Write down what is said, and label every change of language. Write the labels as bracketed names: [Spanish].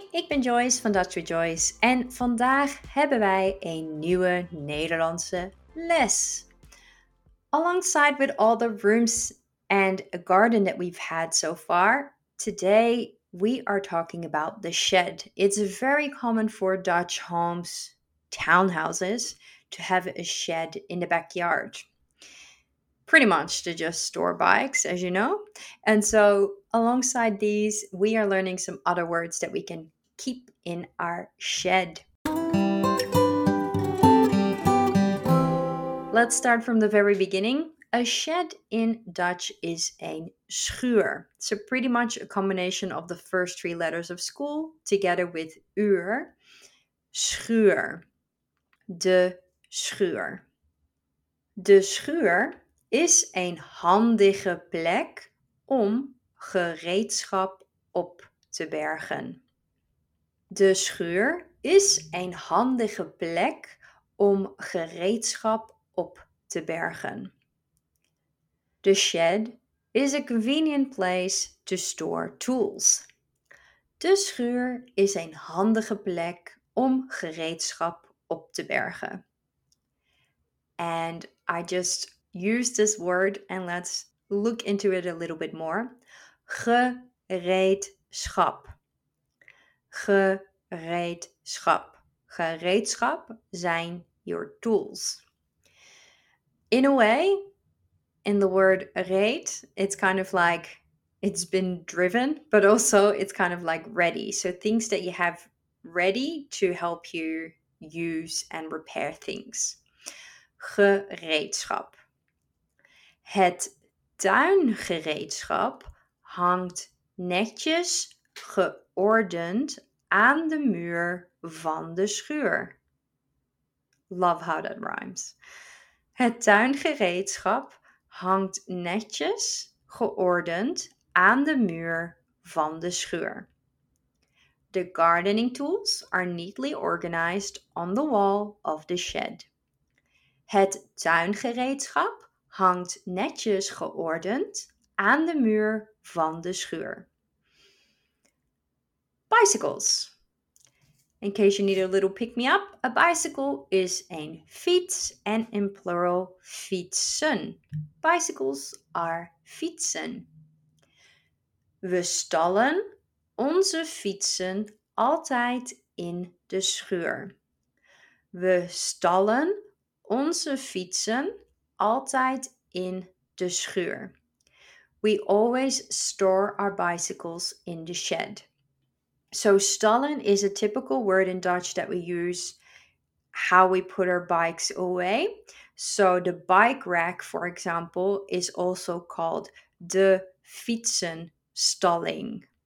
[Dutch] ben Joyce van Dutch with Joyce en vandaag hebben wij een nieuwe Nederlandse les. [English] Alongside with all the rooms and a garden that we've had so far, today we are talking about the shed. It's very common for Dutch homes, townhouses, to have a shed in the backyard. Pretty much to just store bikes, as you know. And so alongside these, we are learning some other words that we can keep in our shed. Let's start from the very beginning. A shed in Dutch is een schuur. So pretty much a combination of the first three letters of school together with uur. [Dutch] Schuur. De schuur. De schuur is een handige plek om gereedschap op te bergen. De schuur is een handige plek om gereedschap op te bergen. [English] The shed is a convenient place to store tools. [Dutch] De schuur is een handige plek om gereedschap op te bergen. [English] And I just use this word and let's look into it a little bit more. [Dutch] Gereedschap. Gereedschap. [English] Gereedschap zijn your tools. In a way, in the word reed, it's kind of like it's been driven, but also it's kind of like ready. So things that you have ready to help you use and repair things. [Dutch] Gereedschap. Het tuingereedschap hangt netjes geordend aan de muur van de schuur. [English] Love how that rhymes. [Dutch] Het tuingereedschap hangt netjes geordend aan de muur van de schuur. [English] The gardening tools are neatly organized on the wall of the shed. [Dutch] Het tuingereedschap hangt netjes geordend aan de muur van de schuur. [English] Bicycles. In case you need a little pick-me-up, a bicycle is een fiets and in plural fietsen. Bicycles are fietsen. [Dutch] We stallen onze fietsen altijd in de schuur. We stallen onze fietsen altijd in de schuur. [English] We always store our bicycles in the shed. So stallen is a typical word in Dutch that we use how we put our bikes away. So the bike rack, for example, is also called de fietsenstalling.